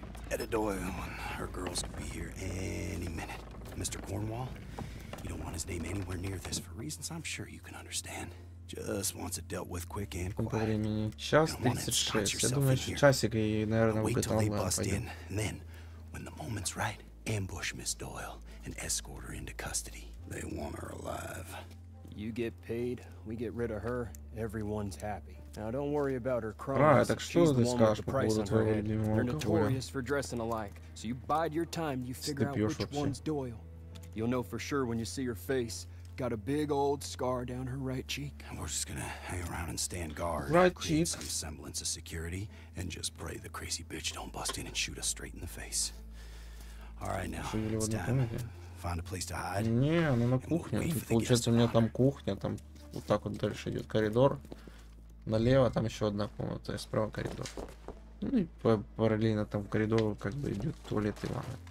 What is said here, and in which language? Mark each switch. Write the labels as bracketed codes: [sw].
[en] Edda Doyle and her girls could be here any minute. Mr. Cornwall. You don't want his name anywhere near this for reasons I'm sure you can understand. Just wants it dealt with quick and quiet. [ru] Сколько времени? Час 36. Я думаю, что часик и, наверное, в Гатлан пойдет. [en] Then, when the moment's right, ambush Miss Doyle and escort her into custody. They want her alive. You get paid, we get rid of her, everyone's happy. Now don't worry about her crimes. [ru] Так что ты скажешь по поводу твоего любимого алкоголя? [en] Notorious for dressing alike. So you bide your time, you figure out which one's Doyle. You'll know for sure when you see her face. Got a big old scar down her right cheek. We're just gonna hang around and stand guard. Right cheek. Some semblance of security and just pray the crazy bitch don't bust in and shoot us straight in the face. All right now. It's time. Find a place to hide. [ru] Не, она на кухне. Получается, у меня там кухня, там вот так вот дальше идет коридор. Налево там еще одна комната, и справа коридор. Ну и параллельно там коридору как бы идет туалет и ванна.